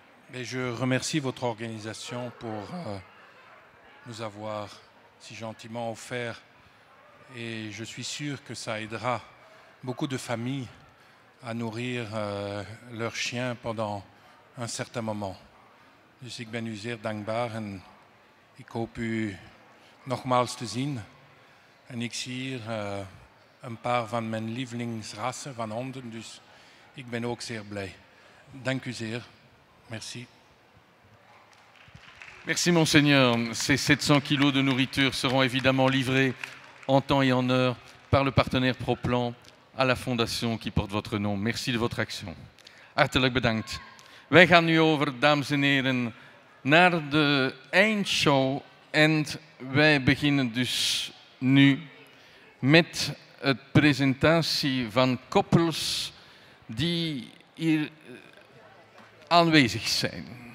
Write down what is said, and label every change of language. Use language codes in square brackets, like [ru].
[fr] Et je remercie votre organisation pour nous avoir si gentiment offert. Et je suis sûr que ça aidera beaucoup de familles à nourrir leurs chiens pendant un certain moment. [nl] Dus ik ben u zeer dankbaar en ik hoop u nogmaals te zien. En ik zie hier een paar van mijn lievelingsrassen van honden. Dus ik ben ook zeer blij. Dank u zeer. Merci. [fr] Merci, Monseigneur. Ces 700 kilos de nourriture seront évidemment livrés en temps et en heure par le partenaire Proplan à la fondation qui porte votre nom. Merci de votre action. [nl] Hartelijk bedankt. Wij gaan nu over, dames en heren, naar de eindshow. En wij beginnen dus nu met het presentatie van koppels die hier aanwezig zijn.